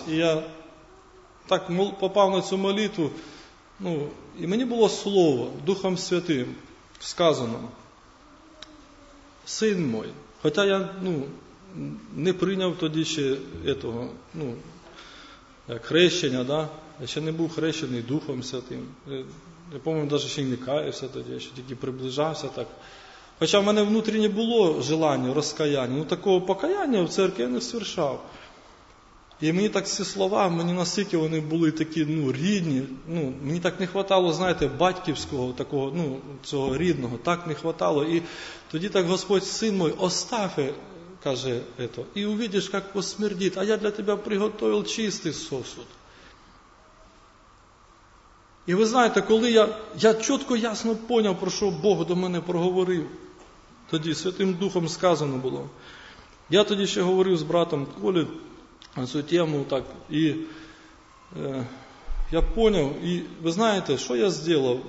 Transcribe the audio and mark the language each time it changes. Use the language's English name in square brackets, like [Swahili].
[Ukrainian] І я так попав на цю молитву, ну, і мені було слово Духом Святим сказано: «Син мой», хоча я, ну, не прийняв тоді ще этого, ну, як хрещення, да? Я ще не був хрещений Духом Святим. Я пам'ятаю, навіть ще й не каявся тоді, я ще тільки приближався так. Хоча в мене внутрішнє було желання, розкаяння, ну, такого покаяння в церкві я не свершав. [Russian] И мне так все слова, мне настолько они были такие, ну, родные, ну, мне так не хватало, знаете, [Ukrainian] батьківського такого, ну, цього рідного, [Russian] так не хватало. И [Ukrainian] тоді так [Russian] Господь, Син мой, оставь, каже, это, и увидишь, как посмердит, а я для тебя приготовил чистый сосуд. И вы знаете, когда я чётко ясно понял, про что Бог до меня проговорил, [Ukrainian] тоді [Russian] Святым Духом сказано было. [Ukrainian] Я тоді ще [Russian] говорил с братом Колей, [Ukrainian] цю тему, так, і я поняв, і ви знаєте, що я зробив?